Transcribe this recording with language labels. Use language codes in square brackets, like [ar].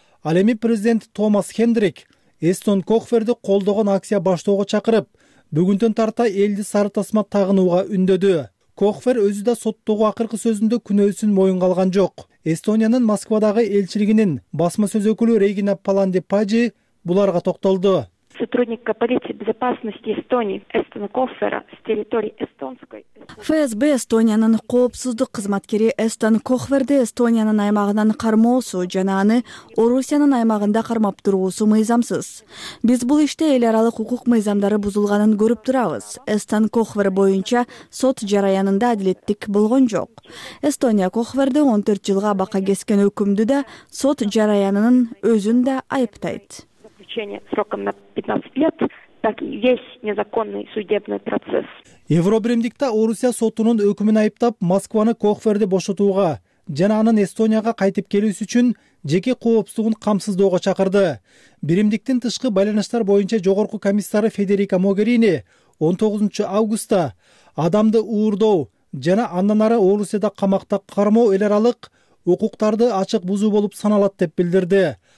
[ky] Ал эми президент Томас Хендрик Эстон Кохферди колдогон акция баштоого чакырып, бүгүнтөн тарта элди сары тасма тагынууга үндөдү. Кохфер өзү да соттогу акыркы сөзүндө күнөөсүн моюнга алган жок. Эстониянын Москвадагы элчилигинин басма сөз өкүлү Регина Паланди-Пажи буларга токтолду. [ru] Сотрудника полиции безопасности Эстонии Эстона Коффера с территории эстонской [ky] ФСБ Эстониянын коопсуздук кызматкери Эстон Кохверди Эстониянын аймагынан кармоосу жана аны Орусиянын аймагында кармап туруусу мыйзамсыз. Биз бул иште эл аралык укук мыйзамдары бузулганын көрүп турабыз. Эстон Кохвер боюнча сот жараянында адилеттик болгон жок. Эстония Кохверди 14 жылга бака кескен өкүмдү да сот жараянынын өзүн да айыптайт. [ru] Сроком на 15 лет, так и весь незаконный судебный процесс. [ky] Евробиримдикте Орусия сотунун өкүмүн айыптап, Москваны Кохверди бошотууга жана анын Эстонияга кайтып келүүсү үчүн жеке коопсуздугун камсыздоого чакырды. Биримдиктин тышкы байланыштар боюнча жогорку комиссары Федерика Могерини 19 августта адамды уурдоо жана андан ары Орусияда камакта кармоо эл аралык укуктарды ачык бузуу болуп саналат деп билдирди.